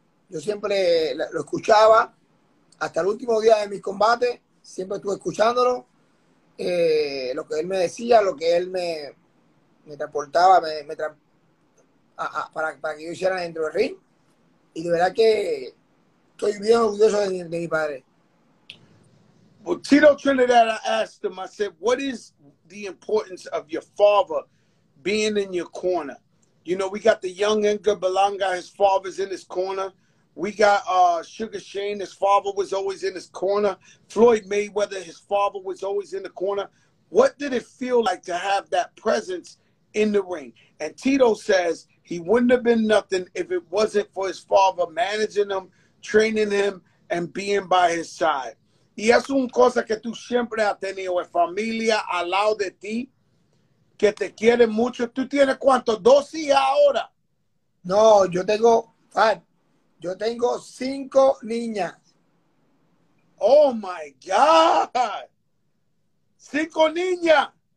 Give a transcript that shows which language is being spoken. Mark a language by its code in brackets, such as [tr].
[es] Yo siempre lo escuchaba hasta el último día de mis combates. Siempre estuve escuchándolo, lo que él me decía, lo que él me transportaba para que yo hiciera dentro del ring. Y de verdad que estoy bien orgulloso de mi padre. [en] Well, Tito Trinidad, I asked him, I said, what is the importance of your father being in your corner? You know, we got the young Edgar Balanga, his father's in his corner. We got Sugar Shane, his father was always in his corner. Floyd Mayweather, his father was always in the corner. What did it feel like to have that presence in the ring? And Tito says he wouldn't have been nothing if it wasn't for his father managing him, training him, and being by his side. [es] Y es una cosa que tú siempre has tenido, familia al lado de ti, que te quiere mucho. ¿Tú tienes cuánto? ¿Dos hijas ahora? No, yo tengo... Yo tengo 5 niñas. [en] Oh my God. [es] 5 niñas.